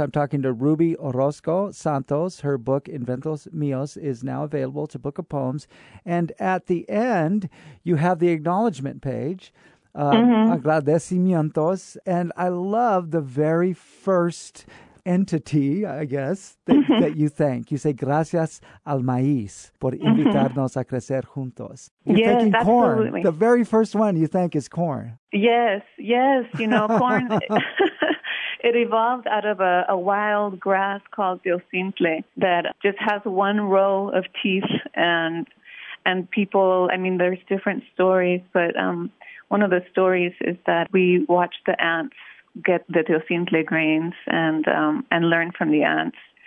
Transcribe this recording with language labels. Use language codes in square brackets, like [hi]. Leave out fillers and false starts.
[en] I'm talking to Ruby Orozco Santos. Her book, Inventos Míos, is now available. It's a book of poems. And at the end, you have the acknowledgement page, agradecimientos. And I love the very first entity, I guess, that you thank. You say, [es] gracias al maíz por invitarnos a crecer juntos. [en] You're yes, thanking absolutely. Corn. The very first one you thank is corn. Yes. You know, corn, it evolved out of a wild grass called teosintle that just has one row of teeth. And people, I mean, there's different stories, but one of the stories is that we watched the ants get the teosintle grains and learn from the ants.